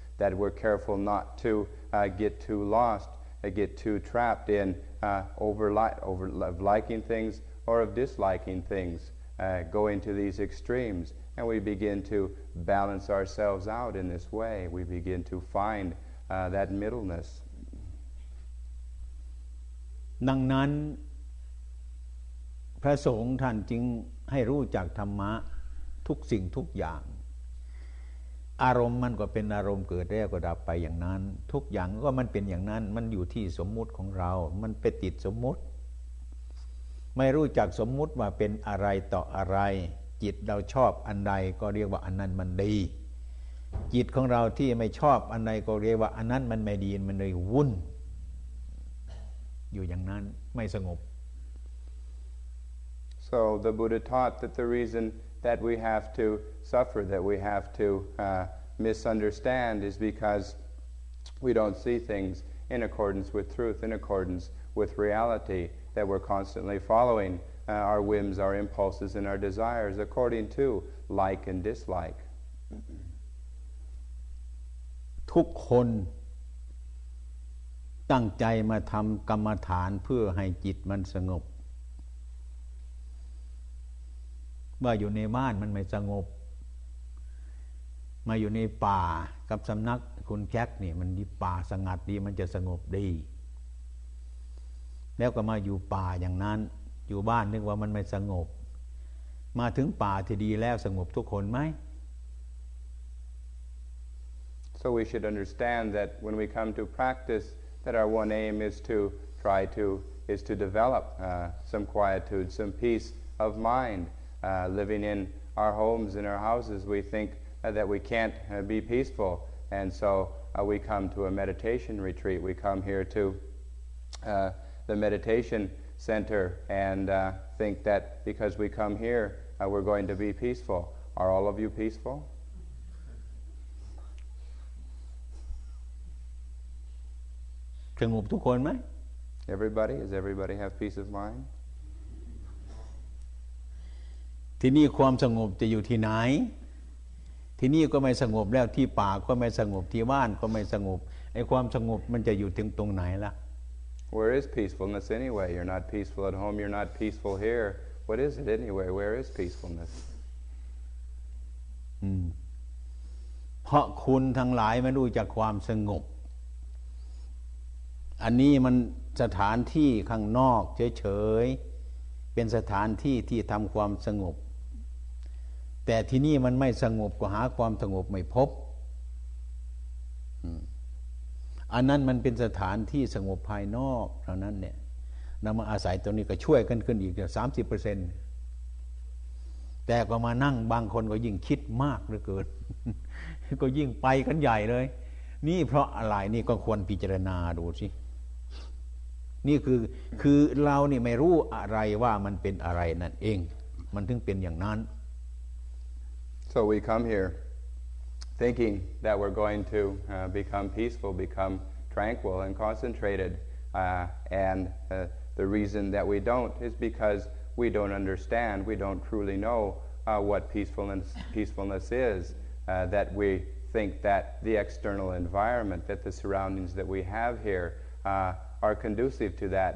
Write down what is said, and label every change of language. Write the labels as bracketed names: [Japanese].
[English] That we're careful not to get too lost, get too trapped in over liking things or of disliking things. Go into these extremes, and we begin to balance ourselves out in this way. We begin to find that middleness. [Thai] ดังนั้นพระสงฆ์ท่านจึงให้รู้จักธรรมะทุกสิ่งทุกอย่างอารมณ์มันก็เป็นอารมณ์เกิดแล้วก็ดับไปอย่างนั้นทุกอย่างก็มันเป็นอย่างนั้นมันอยู่ที่สมมุติของเรามันไปติดสมมุติ ไม่รู้จักสมมุติว่าเป็นอะไรต่ออะไรจิตเราชอบอันใดก็เรียกว่าอันนั้นมันดีจิตของเราที่ไม่ชอบอันใดก็เรียกว่าอันนั้นมันไม่ดีมันเลยวุ่นอยู่อย่างนั้นไม่สงบ [English] So the Buddha taught that the reason that we have to suffer that we have to misunderstand is because we don't see things in accordance with truth in accordance with reality that we're constantly following our whims our impulses and our desires according to like and dislike [Thai] ทุกคนตั้งใจมาทำกรรมฐานเพื่อให้จิตมันสงบว่าอยู่ในบ้านมันไม่สงบมาอยู่ในป่ากับสำนักคุณแก๊กนี่มันดีป่าสงัดดีมันจะสงบดีแล้วก็มาอยู่ป่าอย่างนั้นอยู่บ้านนึกว่ามันไม่สงบมาถึงป่าที่ดีแล้วสงบทุกคนไหม [English] So we should understand that when we come to practiceThat our one aim is to try to is to develop some quietude, some peace of mind. Living in our homes, in our houses, we think that we can't be peaceful, and so we come to a meditation retreat. We come here to the meditation center and think that because we come here, we're going to be peaceful. Are all of you peaceful? [Thai] สงบทุกคนไหม [English] Everybody, does everybody have peace of mind? [Thai] ที่นี่ความสงบจะอยู่ที่ไหนที่นี่ก็ไม่สงบแล้วที่ป่าก็ไม่สงบที่บ้านก็ไม่สงบไอ้ความสงบมันจะอยู่ตรงไหนล่ะ [English] Where is peacefulness anyway? You're not peaceful at home. You're not peaceful here. What is it anyway? Where is peacefulness? [Thai] เพราะคุณทั้งหลายไม่รู้จักความสงบอันนี้มันสถานที่ข้างนอกเฉยๆเป็นสถานที่ที่ทำความสงบแต่ที่นี่มันไม่สงบก็หาความสงบไม่พบ อันนั้นมันเป็นสถานที่สงบภายนอกเท่านั้นเนี่ยนำมาอาศัยตรงนี้ก็ช่วยกันขึ้นอีก 30% แต่ก็มานั่งบางคนก็ยิ่งคิดมากเหลือเกินก็ยิ่งไปกันใหญ่เลยนี่เพราะอะไรนี่ก็ควรพิจารณาดูสินี่คือเรานี่ไม่รู้อะไรว่ามันเป็นอะไรนั่นเองมันถึงเป็นอย่างนั้น [English] So we come here thinking that we're going to become peaceful, become tranquil and concentrated the reason that we don't is because we don't understand, we don't truly know what peacefulness isthat we think that the external environment, that the surroundings that we have here are conducive to that.